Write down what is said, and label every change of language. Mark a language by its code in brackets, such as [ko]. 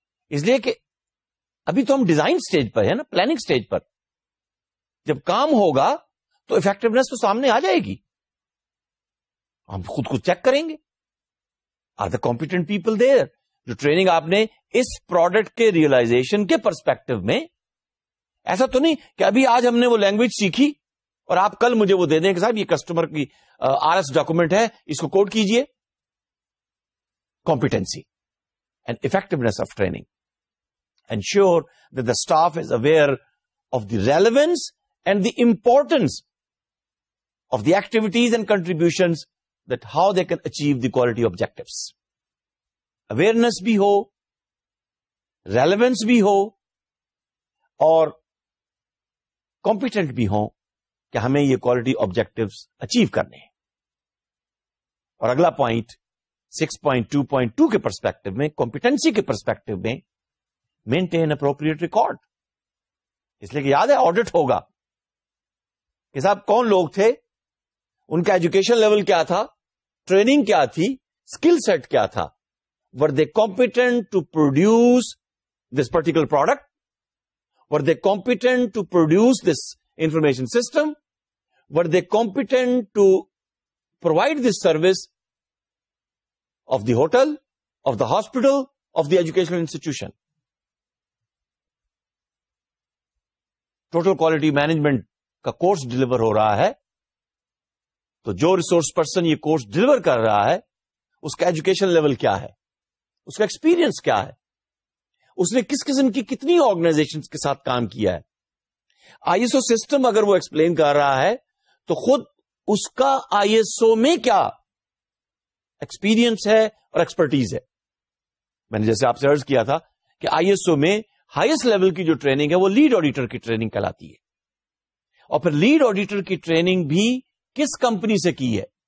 [ur] اس لیے کہ ابھی تو ہم ڈیزائن سٹیج پر ہے نا, پلاننگ سٹیج پر, جب کام ہوگا تو افیکٹونیس تو سامنے آ جائے گی, ہم خود کو چیک کریں گے, [en] are the competent people there, [ur] جو ٹریننگ آپ نے اس پروڈکٹ کے ریئلائزیشن کے پرسپیکٹو میں, ایسا تو نہیں کہ ابھی آج ہم نے وہ لینگویج سیکھی اور آپ کل مجھے وہ دے دیں کہ صاحب یہ کسٹمر کی آر ایس ڈاکومنٹ ہے اس کو کوڈ کیجئے. [en] Competency and effectiveness of training, ensure that the staff is aware of the relevance and the importance of the activities and contributions that how they can achieve the quality objectives. [ur] Awareness بھی ہو, relevance بھی ہو, اور competent بھی ہو کہ ہمیں یہ quality objectives achieve کرنے ہیں. اور اگلا پوائنٹ 6.2.2 کے پرسپیکٹو میں, کمپیٹنسی کے پرسپیکٹو میں, [en] Maintain appropriate record. [ur] اس لیے کہ یاد ہے آڈٹ ہوگا کہ صاحب کون لوگ تھے, ان کا ایجوکیشن لیول کیا تھا, [en] Training کیا تھی, skill set کیا تھا, were they competent to produce this particular product, were they competent to produce this information system, were they competent to provide this service of the hotel, of the hospital, of the educational institution. [ur] Total quality management ka course deliver ho raha hai, to jo resource person ye course deliver kar raha hai, uska education level kya hai, اس کا experience کیا ہے, اس نے کس قسم کی کتنی organization کے ساتھ کام کیا ہے. آئی ایس او سسٹم اگر وہ ایکسپلین کر رہا ہے تو خود اس کا آئی ایس او میں کیا ایکسپیرینس ہے اور ایکسپرٹیز ہے. میں نے جیسے آپ سے عرض کیا تھا کہ آئی ایس او میں ہائیسٹ لیول کی جو ٹریننگ ہے وہ لیڈ آڈیٹر کی ٹریننگ کہلاتی ہے, اور پھر لیڈ آڈیٹر کی ٹریننگ بھی کس کمپنی سے کی ہے.